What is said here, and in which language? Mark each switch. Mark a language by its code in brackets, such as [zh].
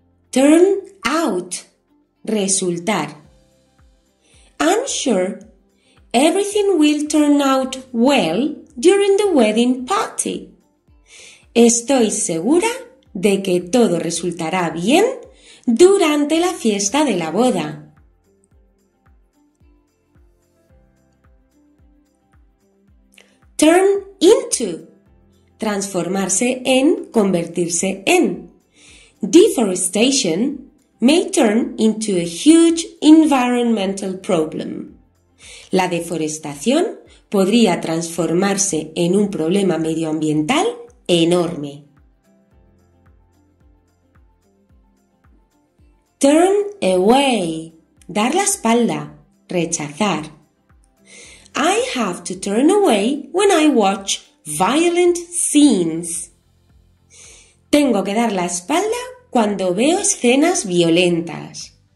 [en] Turn out. [es] Resultar. [en] I'm sure everything will turn out well during the wedding party. [es] Estoy segura de que todo resultará bien durante la fiesta de la boda. [en] Turn into. [es] Transformarse en, convertirse en. [en] Deforestation may turn into a huge environmental problem. [es] La deforestación podría transformarse en un problema medioambiental enorme. [en] Turn away. [es] Dar la espalda. Rechazar. [en] I have to turn away when I watch violent scenes. [es] Tengo que dar la espalda cuando veo escenas violentas.